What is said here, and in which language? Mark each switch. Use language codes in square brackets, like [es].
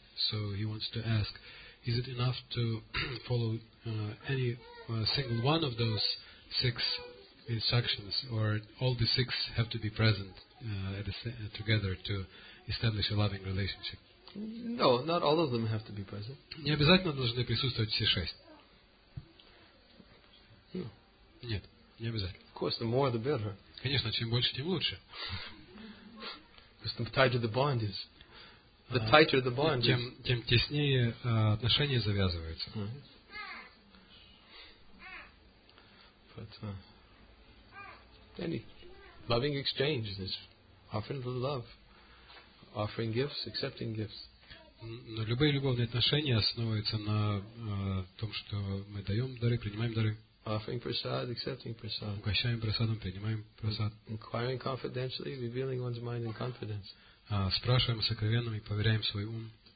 [en] So he wants to ask, is it enough to follow any single one of those six instructions, or all the six have to be present together to establish a loving relationship? No, not all of them have to be present. [ru] Не обязательно должны присутствовать все шесть. Нет, не обязательно. [en] Of course, the more the better. [ru] Конечно, чем больше, тем лучше. [en] Because the tighter the bond is, the tighter the bond is. [ru] Тем теснее отношения завязываются. [en] But any loving exchange, this offering the love, offering gifts, accepting gifts. [ru] Но любые любовные отношения основываются на том, что мы даем дары, принимаем дары. [en] Offering prasad, accepting prasad. [ru] Угощаем прасадом, принимаем прасад. [en] Inquiring confidentially, revealing one's mind in confidence. [ru] Спрашиваем сокровенным и поверяем свой ум.